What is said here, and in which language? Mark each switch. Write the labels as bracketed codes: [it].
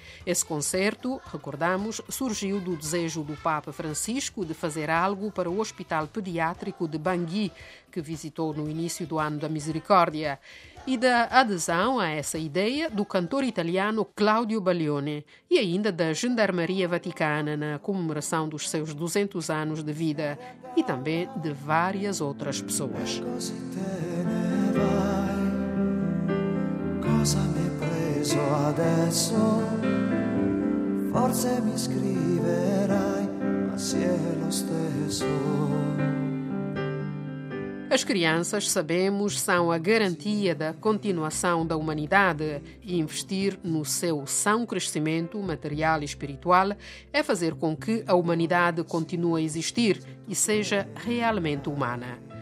[pt] Esse concerto, recordamos, surgiu do desejo do Papa Francisco de fazer algo para o Hospital Pediátrico de Bangui, que visitou no início do Ano da Misericórdia, e da adesão a essa ideia do cantor italiano Claudio Baglioni e ainda da Gendarmeria Vaticana na comemoração dos seus 200 anos de vida e também de várias outras pessoas. [it] Adesso forse mi scriverai, ma se è lo stesso. [pt] As crianças, sabemos, são a garantia da continuação da humanidade e investir no seu são crescimento material e espiritual é fazer com que a humanidade continue a existir e seja realmente humana.